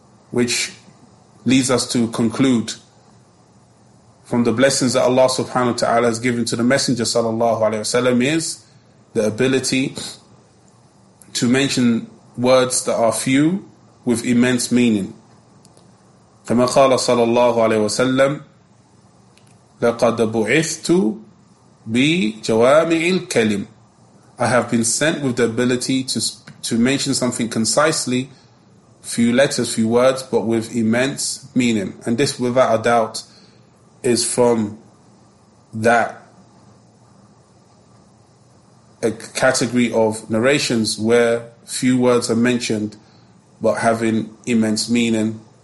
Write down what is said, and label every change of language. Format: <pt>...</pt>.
<en>Which leads us to conclude from the blessings that Allah subhanahu wa ta'ala has given to the Messenger sallallahu alayhi wa sallam is the ability to mention words that are few with immense meaning.</en> <ar>كما قال صلى الله عليه وسلم لقد بعثت بجوامع الكلم.</ar> <en>I have been sent with the ability to mention something concisely, few letters, few words, but with immense meaning. And this, without a doubt, is from that a category of narrations where few words are mentioned but having immense meaning.</en>